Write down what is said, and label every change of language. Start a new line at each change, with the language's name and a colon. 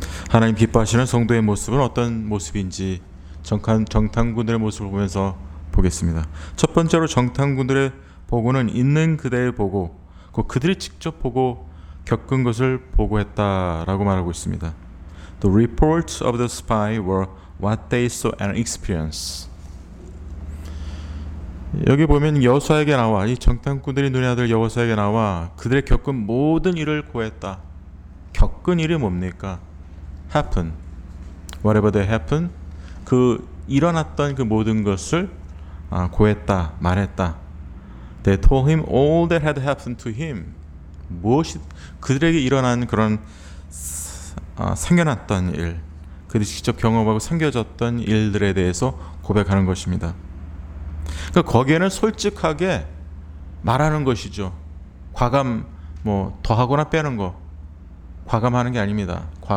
Korean: 하나님 기뻐하시는 성도의 모습은 어떤 모습인지 정탐꾼들의 모습을 보면서 보겠습니다. 첫 번째로 정탐꾼들의 보고는 있는 그대의 보고, 그들이 직접 보고 겪은 것을 보고했다라고 말하고 있습니다.
English: The reports of the spy were what they saw and experienced.
Korean: 여기 보면 여호수아에게 나와, 이 정탐꾼들이 눈에 아들 여호수아에게 나와 그들의 겪은 모든 일을 고했다. 겪은 일이 뭡니까?
English: Happen. Whatever they happen,
Korean: 그 일어났던 그 모든 것을 고했다, 말했다.
English: They told him all that had happened to him.
Korean: 무엇이 그들에게 일어난 그런 생겨났던 일, 그들이 직접 경험하고 생겨졌던 일들에 대해서 고백하는 것입니다. 그러니까 거기에는 솔직하게 말하는 것이죠. 과감, 뭐 더하거나 빼는 거, 과감하는 게 아닙니다.